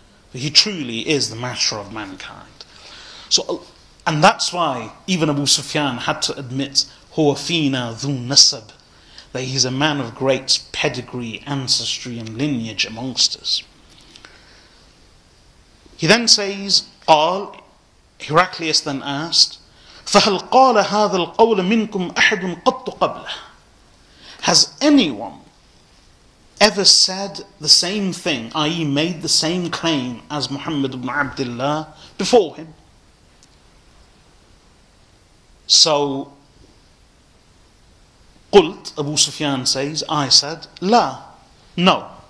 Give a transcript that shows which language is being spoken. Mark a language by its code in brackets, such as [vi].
[en] For he truly is the master of mankind. So, and that's why even Abu Sufyan had to admit, [ar] "Huwa fina dhu nasab." [en] That he's a man of great pedigree, ancestry, and lineage amongst us. He then says, "Qal." Heraclius then asked, [ar] "فَهَلْ قَالَ هَذَا الْقَوْلَ مِنْكُمْ أَحَدٌ قَطُّ قَبْلَهُ." [en] Has anyone ever said the same thing, i.e. made the same claim as Muhammad ibn Abdullah before him. So, [ar] قلت, [en] Abu Sufyan says, I said, [ar] لا, [en] no.